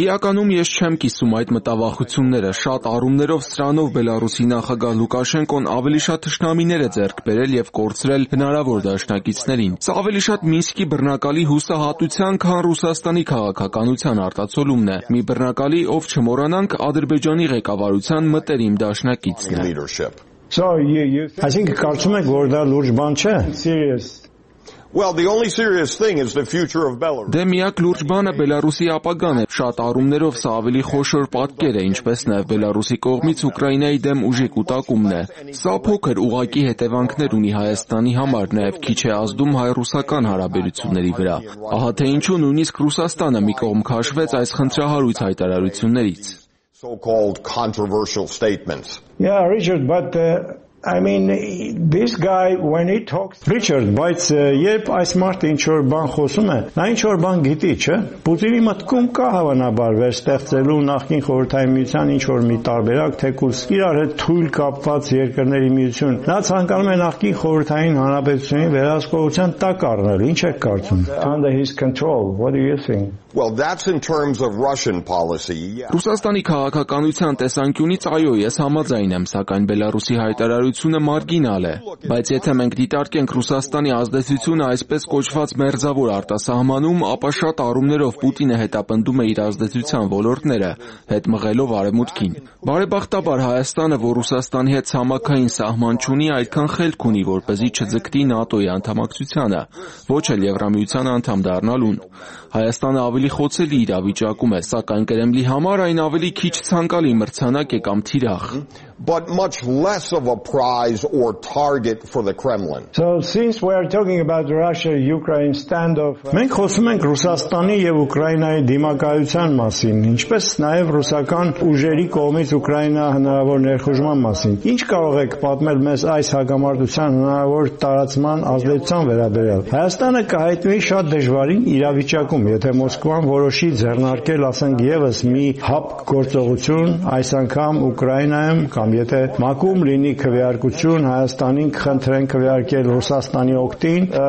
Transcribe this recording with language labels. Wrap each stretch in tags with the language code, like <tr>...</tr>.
<hy>Իրականում ես չեմ կիսում այդ մտավախությունները։ Շատ առումներով սրանով Բելարուսի նախագահ Լուկաշենկոն ավելի շատ ճշնամիներ է ձեռք բերել եւ կորցրել հնարավոր դաշնակիցներին։ Սա ավելի շատ Մինսկի բռնակալի հուսահատության, քան Ռուսաստանի քաղաքականության արտացոլումն է։ Մի բռնակալի, ով չմոռանանք Ադրբեջանի ղեկավարության մտերիմ դաշնակիցն է։</hy> <en>Leadership. So you think</en> <hy>կարծում եք, որ դա լուրջ բան չէ?</hy> <en>Serious. Well, the only serious thing is the future of Belarus.</en> <hy>Դե միակ լուրջ բանը Բելարուսի ապագան է։ Շատ առումներով սա ավելի խոշոր պատկեր է, ինչպես նաև Բելարուսի կողմից Ուկրաինայի դեմ ուժի կուտակումն է։ Սա փոքր ուղակի հետևանքներ ունի Հայաստանի համար, նաև քիչ է ազդում հայ-ռուսական հարաբերությունների վրա։ Ահա թե ինչու նույնիսկ Ռուսաստանը մի կողմ քաշվեց այս խնդրահարույց հայտարարություններից։</hy> <en>So-called controversial statements. Yeah, Richard, but I mean, this guy, when he talks...</en> <hy>Richard, բայց երբ այս մարդը ինչ-որ բան խոսում է, նա ինչ-որ բան գիտի, չէ՞։ Պուտինի մտքում կա հավանաբար վերստեղծելու նախկին խորհրդային միության ինչ-որ մի տարբերակ, թե Կուրսկ իրար հետ թույլ կապված երկրների միություն։ Նա ցանկանում է նախկին խորհրդային հանրապետությունի վերահսկողության տակ առնել, ինչ եք կարծում։</hy> <en>Under his control, what do you think? Well, that's in terms of Russian policy.</en> <hy>Ռուսաստանի քաղաքականության տեսանկյունից այո, ես համաձայն եմ, սակայն Բելարուսի հայտարարությունը մարգինալ է, բայց եթե մենք դիտարկենք Ռուսաստանի ազդեցությունը այսպես կոչված մերձավոր արտասահմանում, ապա շատ առումներով Պուտինը հետապնդում է իր ազդեցության ոլորտները, հետ մղելով Արևմուտքին։ Բարեբախտաբար Հայաստանը, որ Ռուսաստանի հետ ցամաքային սահման չունի, այդքան խելք ունի, որպեսզի չձգտի ՆԱՏՕ-ի անդամակցությանը, ոչ էլ Եվրամիության անդամ դառնալուն։ Հայաստանը ավելի խոցելի իրավիճակում է, սակայն Կրեմլի համար այն ավելի քիչ ցանկալի մրցանակ է կամ թիրախ։</hy> <en>But much less of a prize or target for the Kremlin. So since we are talking about Russia-Ukraine standoff,</en> <hy>մենք խոսում ենք Ռուսաստանի եւ Ուկրաինայի դիմակայության մասին, ինչպես նաեւ ռուսական ուժերի կողմից Ուկրաինա հնարավոր ներխուժման մասին։ Ինչ կարող եք պատմել մեզ այս հագամարտության հնարավոր տարածման ազդեցության վերաբերյալ։ Հայաստանը կհայտնի շատ դժվարին իրավիճակում, եթե Մոսկվան որոշի ձեռնարկել, ասենք եւս մի հապ գործողություն այս անգամ Ուկրաինայում, կամ եթե մակում լինի քվեարկություն Հայաստանին կխնդրեն քվեարկել Ռուսաստանի օգտին</hy>